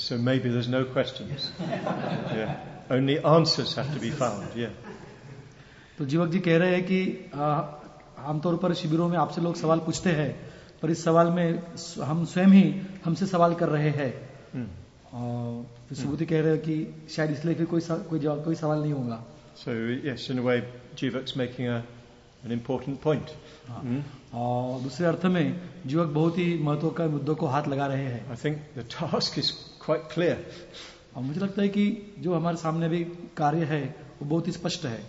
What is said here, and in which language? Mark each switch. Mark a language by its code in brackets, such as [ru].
[en] So maybe there's no questions. Yeah. Only answers have to be found. Yeah. [hi] तो जीवक जी कह रहे हैं कि आमतौर पर शिविरों में आपसे लोग सवाल पूछते हैं पर इस सवाल में हम स्वयं ही हमसे सवाल कर रहे हैं. तो सुबुद्धि कह रहे हैं कि शायद इसलिए फिर कोई सवाल नहीं होगा. [en] So yes, in a way, Jivak's making an important point. [hi] और दूसरे अर्थ में जीवक बहुत ही महत्व का मुद्दों को हाथ लगा रहे हैं. [en] I think the task is quite clear. [hi] और मुझे लगता है कि जो हमारे सामने भी कार्य है वो बहुत ही स्पष्ट है.